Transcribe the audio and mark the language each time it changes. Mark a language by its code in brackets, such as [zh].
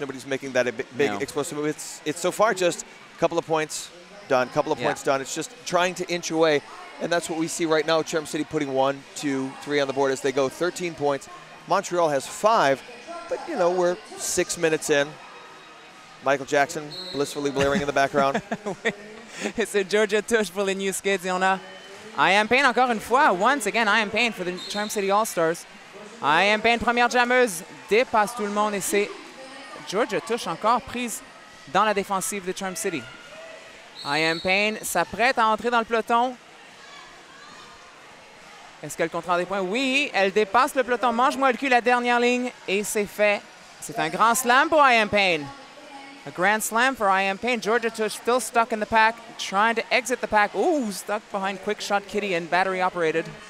[en] Nobody's making that big explosive move. It's so far just a couple of points done, It's just trying to inch away. And that's what we see right now, Charm City putting 1, 2, 3 on the board as they go. 13 points. Montreal has 5. But, you know, we're 6 minutes in. Michael Jackson blissfully blaring in the background. It's a Georgia Tush for the New Skids. [fr] On a I Am Payne encore une fois. [en] Once again, I Am Payne for the Charm City All-Stars. [fr] I Am Payne, première jammeuse, dépasse tout le monde. Et c'est Georgia Tush encore prise dans la défensive de Charm City. I Am Payne s'apprête à entrer dans le peloton. Est-ce qu'elle comptera des points? Oui, elle dépasse le peloton. Mange-moi le cul, la dernière ligne. Et c'est fait. C'est un grand slam pour I Am Payne. [en] A grand slam for I Am Payne. Georgia Tush still stuck in the pack, trying to exit the pack. Ooh, stuck behind Quick Shot Kitty and battery operated.